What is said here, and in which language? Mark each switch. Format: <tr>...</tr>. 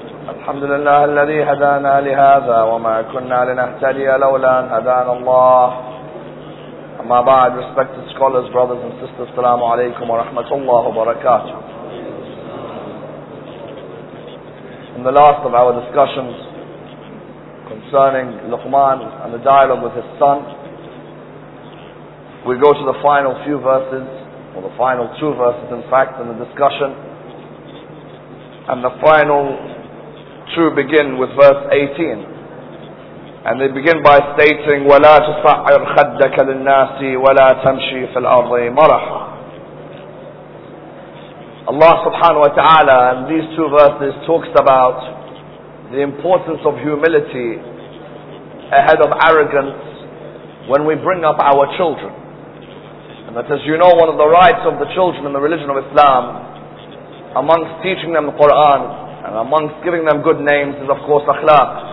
<ar>الحمد لله الذي هدانا لهذا وما كنا لنهتدي لولا أن هدانا الله. أما بعد،</ar> <en>respected scholars, brothers and sisters,</en> <ar>السلام عليكم ورحمة الله وبركاته.</ar> <en>In the last of our discussions concerning Luqman and the dialogue with his son, we go to the final few verses, or the final two verses in fact, in the discussion. And the final two begin with verse 18. And they begin by stating,</en> <ar>وَلَا تُصَعِرْ خَدَّكَ لِلنَّاسِ وَلَا تَمْشِي فِي الْأَرْضِ مَرَحًا.</ar> <en>Allah subhanahu wa ta'ala in these two verses talks about the importance of humility ahead of arrogance when we bring up our children. And that, as you know, one of the rights of the children in the religion of Islam, amongst teaching them the Quran and amongst giving them good names, is of course akhlaq.</en>